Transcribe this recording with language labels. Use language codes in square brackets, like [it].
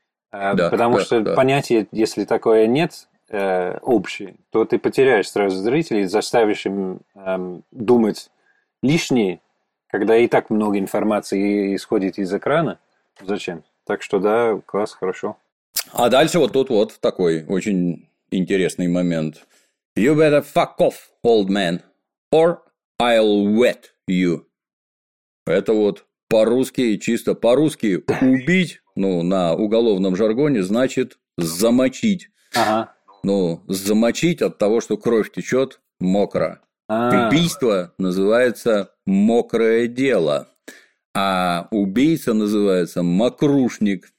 [ru] Да, Потому что понятие, если такое нет, общее, то ты потеряешь сразу зрителей, заставишь им думать лишнее, когда и так много информации исходит из экрана. Зачем? Так что да, класс, хорошо. А дальше вот тут вот такой очень интересный момент. [en] You better fuck off, old man, or I'll wet you. [ru] Это вот по-русски, чисто по-русски убить, ну, на уголовном жаргоне, значит замочить. Ага. Ну, замочить от того, что кровь течет мокро. Убийство называется мокрое дело, а убийца называется мокрушник.